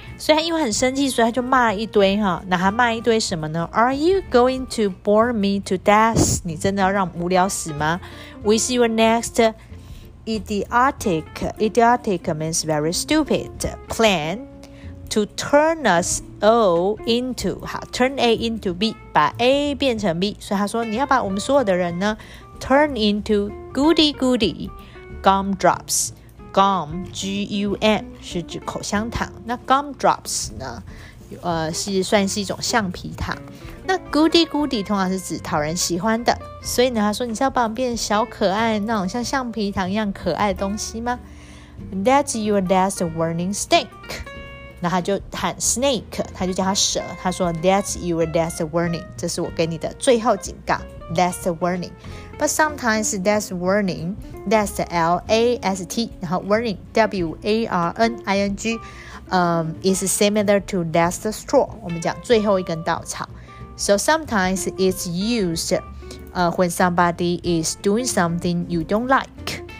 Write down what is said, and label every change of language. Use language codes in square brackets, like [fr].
[zh] 所以他因为很生气，所以他就骂了一堆哈。那他骂一堆什么呢？ [en] Are you going to bore me to death? [zh] 你真的要让无聊死吗？ [en] With your next idiotic means very stupid plan to turn us all into, 好 turn A into B, [zh] 把 A 变成 B. 所以他说你要把我们所有的人呢 [en] Turn into goody-goody gumdrops. [zh] Gum, G-U-M, 是指口香糖。那 gumdrops 呢，是算是一种橡皮糖。那 goody-goody 通常是指讨人喜欢的。所以呢，他说你是要把我们变成小可爱，那种像橡皮糖一样可爱的东西吗？ [en] That's your last warning, snake. [zh] 那他就喊 snake, 他就叫他蛇。他说 [en] That's your last warning. [zh] 这是我给你的最后警告。 [en] Last warning. But sometimes that's warning, that's L-A-S-T, 然后 warning, W-A-R-N-I-N-G, is similar to last straw, [zh] 我们讲最后一根稻草。 [en] So sometimes it's used when somebody is doing something you don't like.